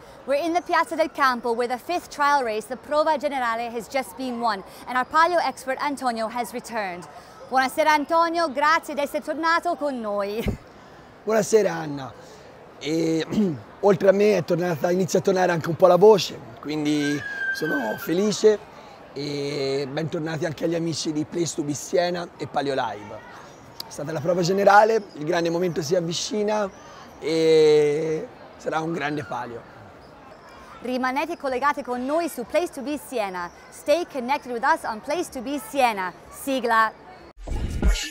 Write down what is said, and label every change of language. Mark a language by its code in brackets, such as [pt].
[en] We're in the Piazza del Campo where the fifth trial race, the Prova Generale, has just been won and our palio expert Antonio has returned. [it] Buonasera Antonio, grazie di essere tornato con noi. Buonasera Anna. E oltre a me inizia a tornare anche un po' la voce, quindi sono felice e bentornati anche agli amici di Place to Be Siena e Palio Live. È stata la prova generale, il grande momento si avvicina e sarà un grande palio. Rimanete collegati con noi su Place to Be Siena. [en] Stay connected with us on Place to Be Siena. [it] Sigla!